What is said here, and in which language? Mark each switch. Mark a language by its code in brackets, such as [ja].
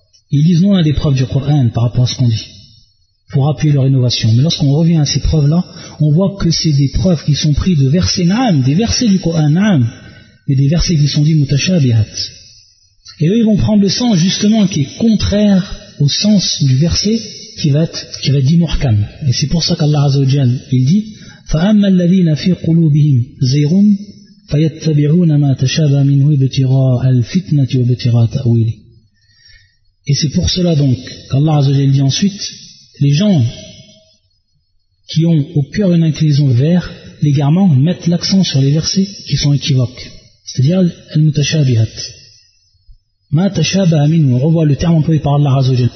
[fr] Ils disent non à des preuves du Coran par rapport à ce qu'on dit, pour appuyer leur innovation. Mais lorsqu'on revient à ces preuves-là, on voit que c'est des preuves qui sont prises de versets na'am, des versets du Coran na'am, et des versets qui sont dits mutashabihat. Et eux, ils vont prendre le sens justement qui est contraire au sens du verset qui va être dit muhkam. Et c'est pour ça qu'Allah Azza wa Jal, il dit [ar] « فَأَمَّا الَّذِينَ فِي قُلُوبِهِمْ زَيْرٌ » فَيَتَّبِعُونَ مَا تَشَابَ مِنْهُ ابْتِغَاءَ الْفِتْنَةِ وَابْتِغَاءَ تَأْوِيلِ. [fr] Et c'est pour cela donc qu'Allah Azza wa Jalla dit ensuite, les gens qui ont au cœur une inclinaison vers l'égarement mettent l'accent sur les versets qui sont équivoques. C'est-à-dire Al-Mutashabihat. [ar] Ma tashabaha minhu, [fr] on revoit le terme employé par Allah Azzawajal.